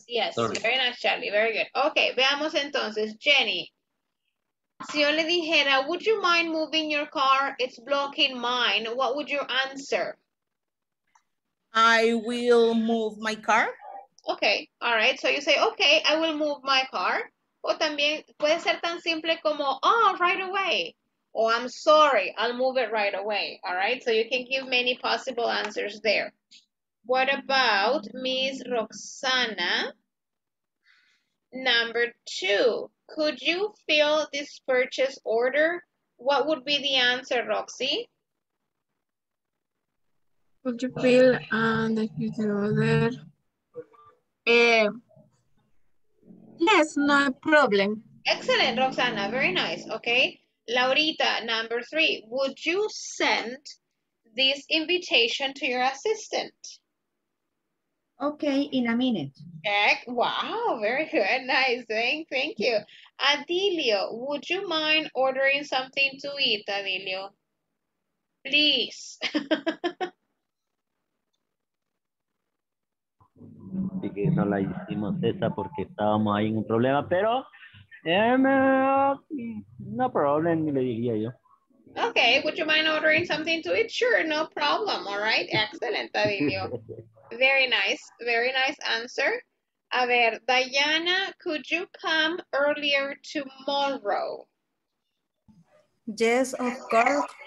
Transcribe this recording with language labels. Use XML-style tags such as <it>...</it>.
<en>Yes, sorry. Very nice, Charlie. Very good. Okay,</en> <es>veamos entonces.</es> <en>Jenny,</en> <es>Si yo le dijera,</es> <en>would you mind moving your car? It's blocking mine. What would you answer? I will move my car. Okay, all right. So you say, okay, I will move my car.</en> <es>O también puede ser tan simple como,</es> <en>oh, right away. Or I'm sorry, I'll move it right away. All right, so you can give many possible answers there. What about Miss Roxana? Number two, could you fill this purchase order? What would be the answer, Roxy? Could you fill the future order? Yes, no problem. Excellent, Roxana. Very nice. Okay. Laurita, number three, would you send this invitation to your assistant? Okay, in a minute. Okay. Wow, very good. Nice. Thank you. Adilio, would you mind ordering something to eat, Adilio? Please.</en> <es>Así que no la hicimos esa porque estábamos ahí en un problema, pero</es> <en>no problem,</en> <es>le diría yo.</es> <en>Okay, would you mind ordering something to eat? Sure, no problem, all right? Excellent, Adilio. very nice answer.</en> <es>A ver,</es> <en>Diana, could you come earlier tomorrow? Yes, of course.</en>